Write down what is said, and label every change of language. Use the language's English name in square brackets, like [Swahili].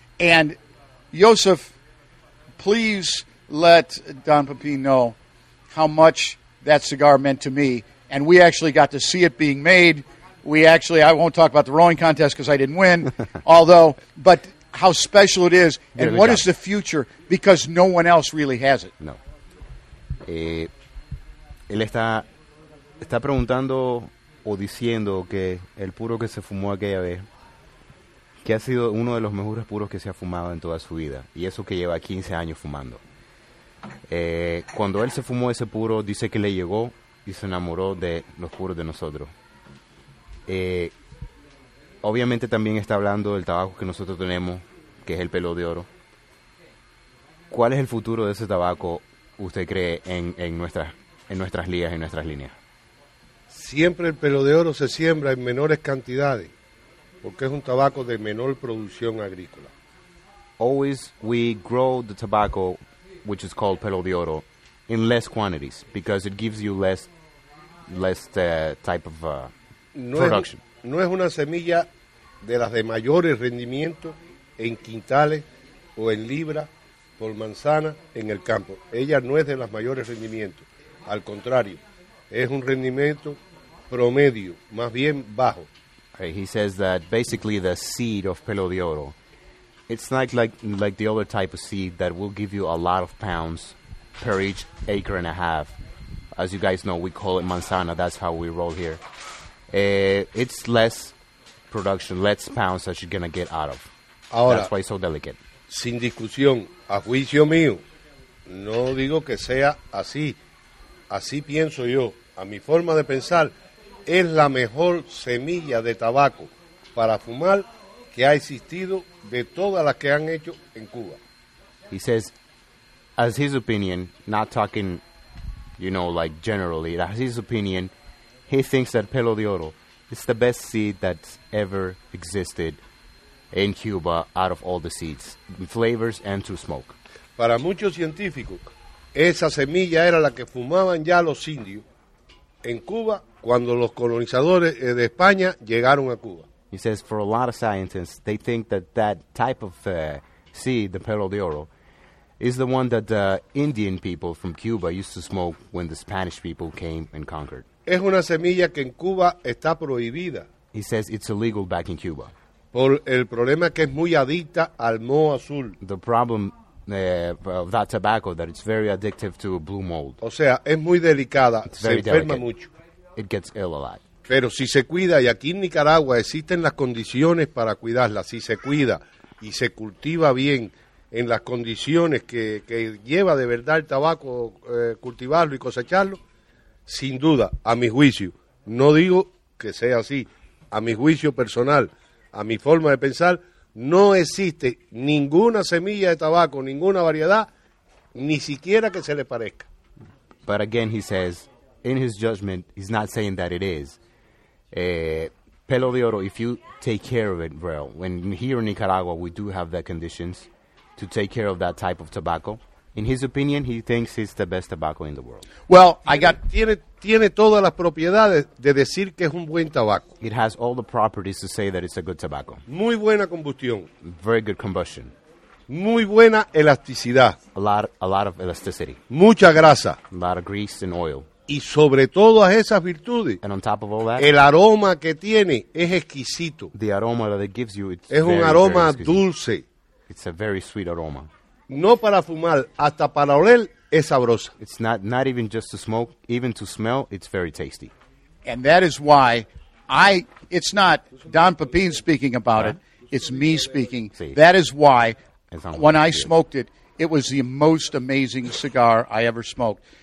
[English] And, Joseph, please let Don Pepin know how much that cigar meant to me. And we actually got to see it being made. We actually, I won't talk about the rowing contest because I didn't win. Although, but how special it is, and really what is the future? Because no one else really has it. No. [Spanish] Él está preguntando o diciendo que el puro que se fumó aquella vez, que ha sido uno de los mejores puros que se ha fumado en toda su vida, y eso que lleva 15 años fumando. Cuando él se fumó ese puro, dice que le llegó y se enamoró de los puros de nosotros. Obviamente también está hablando del tabaco que nosotros tenemos, que es el Pelo de Oro. ¿Cuál es el futuro de ese tabaco, usted cree, en nuestras ligas, en nuestras líneas? Siempre el Pelo de Oro se siembra en menores cantidades, porque es un tabaco de menor producción agrícola. [English] Always we grow the tobacco, which is called Pelo de Oro, in less quantities, because it gives you less type of production. [Spanish] No es una semilla de las de mayores rendimientos en quintales o en libras por manzana en el campo. Ella no es de las mayores rendimientos. Al contrario, es un rendimiento promedio, más bien bajo. [English] He says that basically the seed of Pelo de Oro, it's not like the other type of seed that will give you a lot of pounds per each acre and a half. As you guys know, we call it manzana. That's how we roll here. It's less production, less pounds that you're going to get out of. [Spanish] Ahora, [English] that's why it's so delicate. [Spanish] Sin discusión, a juicio mío, no digo que sea así. Así pienso yo. A mi forma de pensar, es la mejor semilla de tabaco para fumar que ha existido de todas las que han hecho en Cuba. [English] He says, as his opinion, not talking, you know, like generally, as his opinion, he thinks that Pelo de Oro is the best seed that's ever existed in Cuba out of all the seeds, flavors and to smoke. [Spanish] Para muchos científicos, esa semilla era la que fumaban ya los indios en Cuba cuando los colonizadores de España llegaron a Cuba. [English] He says for a lot of scientists, they think that that type of seed, the Pelo de Oro, is the one that the Indian people from Cuba used to smoke when the Spanish people came and conquered. [Spanish] Es una semilla que en Cuba está prohibida. [English] He says it's illegal back in Cuba. [Spanish] Por el problema que es muy adicta al moho azul. [English] The problem of that tobacco, that it's very addictive to blue mold. [Spanish] O sea, es muy delicada, [English] it's [Spanish] se enferma [English] delicate. [Spanish] Mucho. [English] It gets ill a lot. [Spanish] Pero si se cuida, y aquí en Nicaragua existen las condiciones para cuidarla, si se cuida y se cultiva bien en las condiciones que lleva de verdad el tabaco, cultivarlo y cosecharlo, sin duda, a mi juicio, no digo que sea así, a mi juicio personal, a mi forma de pensar, no existe ninguna semilla de tabaco, ninguna variedad, ni siquiera que se le parezca. [English] But again, he says, in his judgment, he's not saying that it is. Pelo de Oro, if you take care of it well, when here in Nicaragua we do have the conditions to take care of that type of tobacco. In his opinion, he thinks it's the best tobacco in the world. Well, I got [Spanish] tiene todas las propiedades de decir que es un buen tabaco. [English] It has all the properties to say that it's a good tobacco. [Spanish] Muy buena combustión. [English] Very good combustion. [Spanish] Muy buena elasticidad. [English] A lot of elasticity. [Spanish] Mucha grasa. [English] A lot of grease and oil. [Spanish] Y sobre todas esas virtudes, [English] and on top of all that, [Spanish] el aroma que tiene es exquisito. [English] The aroma that it gives you, it's [Spanish] es un aroma dulce. [English] It's a very sweet aroma. [Spanish] No para fumar, hasta para oler, es sabrosa. [English] It's not even just to smoke, even to smell, it's very tasty. And that is why it's not Don Pepin speaking about it, it's me speaking. [Spanish] Sí. [English] That is why when I smoked it, it was the most amazing cigar I ever smoked.